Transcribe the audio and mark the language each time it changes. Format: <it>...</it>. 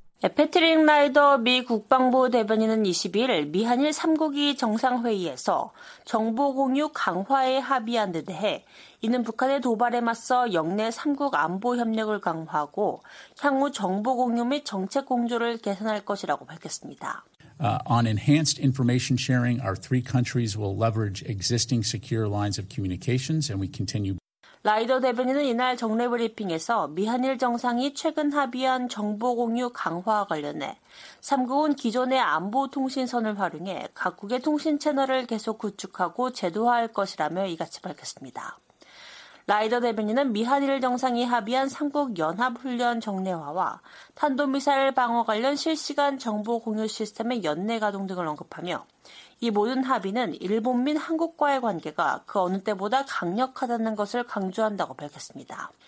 <ko>패트릭 라이더 미 국방부 대변인은 22일 미한일 3국이 정상회의에서 정보 공유 강화에 합의한 데 대해 이는 북한의 도발에 맞서 영내 3국 안보 협력을 강화하고 향후 정보 공유 및 정책 공조를 개선할 것이라고 밝혔습니다.</ko> <en>On enhanced information sharing, our three countries will leverage existing secure lines of communications and we continue</en> <ko>라이더 대변인은 이날 정례 브리핑에서 미한일 정상이 최근 합의한 정보 공유 강화와 관련해 3국은 기존의 안보 통신선을 활용해 각국의 통신 채널을 계속 구축하고 제도화할 것이라며 이같이 밝혔습니다. 라이더 대변인은 미한일 정상이 합의한 3국 연합훈련 정례화와 탄도미사일 방어 관련 실시간 정보 공유 시스템의 연내 가동 등을 언급하며 이 모든 합의는 일본 및 한국과의 관계가 그 어느 때보다 강력하다는 것을 강조한다고 밝혔습니다.</ko>